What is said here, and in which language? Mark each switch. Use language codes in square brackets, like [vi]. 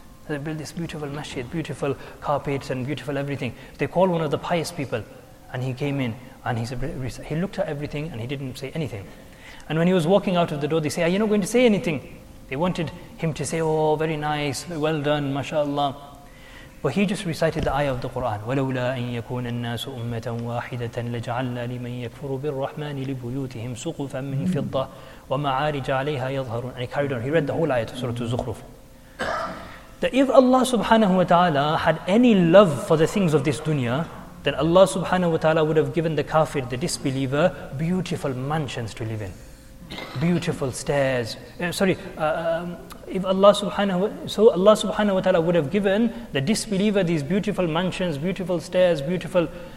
[en] They built this beautiful masjid, beautiful carpets and beautiful everything. They called one of the pious people and he came in and he looked at everything and he didn't say anything. And when he was walking out of the door, they say, are you not going to say anything? They wanted him to say, oh, very nice, well done, mashallah. But he just recited the ayah of the Quran. [ar] وَلَوْلَا أَن يَكُونَ النَّاسُ أُمَّةً وَاحِدَةً لَجَعَلْنَا لِمَن يَكْفُرُ بِالرَّحْمَنِ لِبُيُوتِهِمْ سُقُفًا مِّن فِضَّةٍ وَمَعَارِجَ عَلَيْهَا يَظْهَرُونَ [en] And he carried on. He read the whole ayah of Surah Az-Zukhruf. That if Allah subhanahu wa ta'ala had any love for the things of this dunya, then Allah subhanahu wa ta'ala would have given the kafir, the disbeliever, beautiful mansions to live in. Beautiful stairs. Allah subhanahu wa ta'ala would have given the disbeliever these beautiful mansions, beautiful stairs, beautiful.